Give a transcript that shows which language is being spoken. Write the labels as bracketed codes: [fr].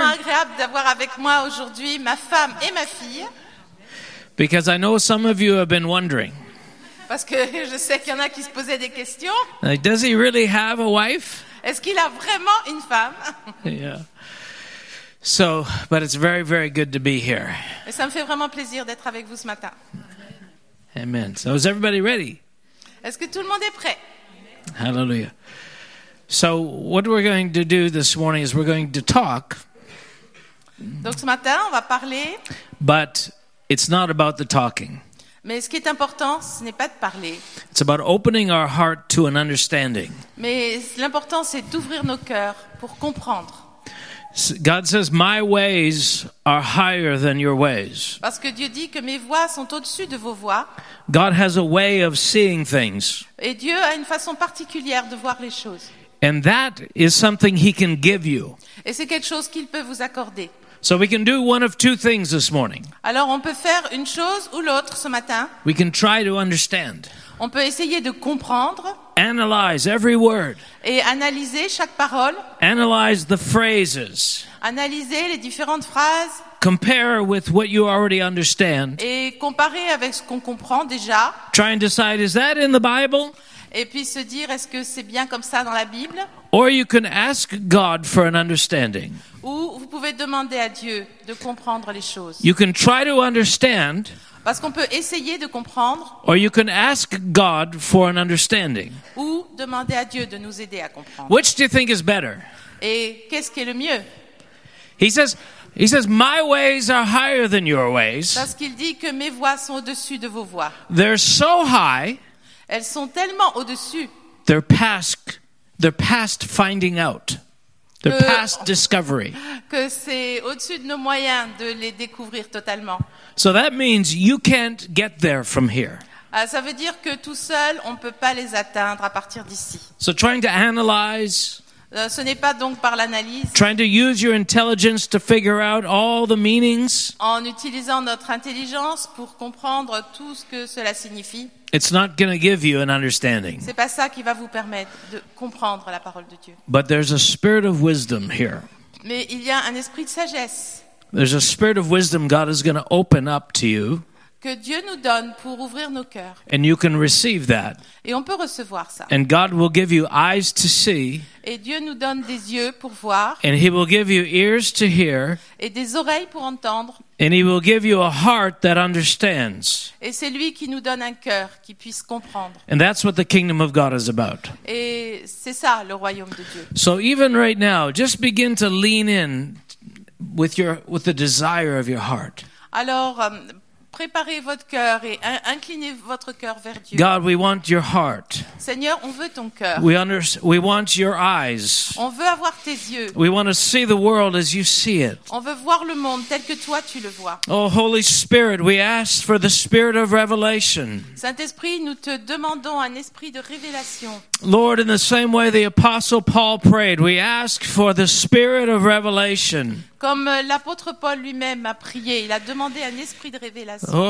[fr] C'est tellement agréable d'avoir avec moi aujourd'hui ma femme et ma fille. [en] Because I know some of you have been wondering. [fr] Parce que je sais qu'il y en a qui se posaient des questions. [en] Like, does he really have a wife? [fr] Est-ce qu'il a vraiment une femme? [en] Yeah. So, but it's very, very good to be here. [fr] Et ça me fait vraiment plaisir d'être avec vous ce matin. [en] Amen. So, is everybody ready? [fr] Est-ce que tout le monde est prêt? [en] Hallelujah. So, what we're going to do this morning is we're going to talk. [fr] Donc, ce matin, on va parler. [en] But it's not about the talking. [fr] Mais ce qui est important, ce n'est pas de parler. [en] It's about opening our heart to an understanding. [fr] Mais l'important, c'est d'ouvrir nos cœurs pour comprendre. [en] God says, "My ways are higher than your ways." [fr] Parce que Dieu dit que mes voies sont au-dessus de vos voies. [en] God has a way of seeing things. [fr] Et Dieu a une façon particulière de voir les choses. [en] And that is something He can give you. [fr] Et c'est quelque chose qu'il peut vous accorder. [en] So we can do one of two things this morning. [fr] Alors on peut faire une chose ou l'autre ce matin. [en] We can try to understand. [fr] On peut essayer de comprendre. [en] Analyze every word. [fr] Et analyser chaque parole. [en] Analyze the phrases. [fr] Analyser les différentes phrases. [en] Compare with what you already understand. [fr] Et comparer avec ce qu'on comprend déjà. [en] Try and decide, is that in the Bible? [fr] Et puis se dire, est-ce que c'est bien comme ça dans la Bible? [en] Or you can ask God for an understanding. [fr] Ou vous pouvez demander à Dieu de comprendre les choses. [en] You can try to understand. [fr] Parce qu'on peut essayer de comprendre. [en] Or you can ask God for an understanding. [fr] Ou demander à Dieu de nous aider à comprendre. [en] Which do you think is better? [fr] Et qu'est-ce qui est le mieux? [en] He says, "My ways are higher than your ways." [fr] Parce qu'il dit que mes voies sont au-dessus de vos voies. [en] They're so high. [fr] Elles sont tellement au-dessus. [en] They're past finding out. Past discovery. [fr] Que c'est au-dessus de nos moyens de les découvrir totalement. [en] So that means you can't get there from here. [fr] Ça veut dire que tout seul, on ne peut pas les atteindre à partir d'ici. [en] So trying to analyze. [fr] Ce n'est pas donc par l'analyse. [en] Trying to use your intelligence to figure out all the meanings. [fr] En utilisant notre intelligence pour comprendre tout ce que cela signifie. [en] It's not going to give you an understanding. [fr] C'est pas ça qui va vous permettre de comprendre la parole de Dieu. [en] But there's a spirit of wisdom here. [fr] Mais il y a un esprit de sagesse. [en] There's a spirit of wisdom God is going to open up to you. [fr] Que Dieu nous donne pour ouvrir nos cœurs. [en] And you can receive that. [fr] Et on peut recevoir ça. [en] And God will give you eyes to see. [fr] Et Dieu nous donne des yeux pour voir. [en] And He will give you ears to hear. [fr] Et des oreilles pour entendre. [en] And He will give you a heart that understands. [fr] Et c'est lui qui nous donne un cœur qui puisse comprendre. [en] And that's what the kingdom of God is about. [fr] Et c'est ça le royaume de Dieu. [en] So even right now, just begin to lean in with the desire of your heart. [fr] Alors, préparez votre cœur et inclinez votre cœur vers Dieu. [en] God, we want your heart. [fr] Seigneur, on veut ton cœur. [en] We want your eyes. [fr] On veut avoir tes yeux. [en] We want to see the world as you see it. [fr] On veut voir le monde tel que toi tu le vois. [en] Oh Holy Spirit, we ask for the spirit of revelation. [fr] Saint-Esprit, nous te demandons un esprit de révélation. [en] Lord, in the same way the apostle Paul prayed, we ask for the spirit of revelation. [fr] Comme l'apôtre Paul lui-même a prié, il a demandé un esprit de révélation.